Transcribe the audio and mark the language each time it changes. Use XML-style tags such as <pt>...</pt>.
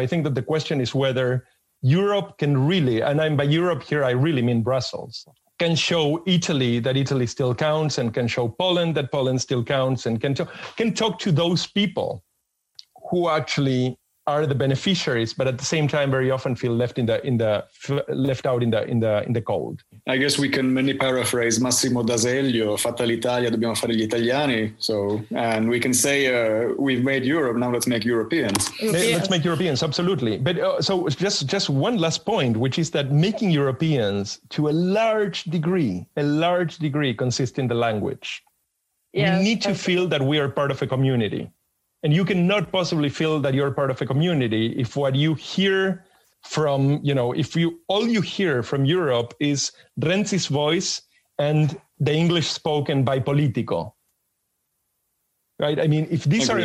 <en>I think that the question is whether Europe can really, and I'm by Europe here, I really mean Brussels. can show Italy that Italy still counts, and can show Poland that Poland still counts, and can talk to those people who actually are the beneficiaries, but at the same time very often feel left out in the cold. I guess we can many paraphrase Massimo D'Azeglio,</en> <it>fatta l'Italia, dobbiamo fare gli italiani.</it> <en>So, and we can say we've made Europe, now let's make Europeans. Let's make Europeans, absolutely. But so just one last point, which is that making Europeans to a large degree consists in the language. Yes, we need to feel that we are part of a community. And you cannot possibly feel that you're part of a community if what you hear from, you know, if you all you hear from Europe is Renzi's voice and the English spoken by Politico. Right? I mean, if these Agreed.</en>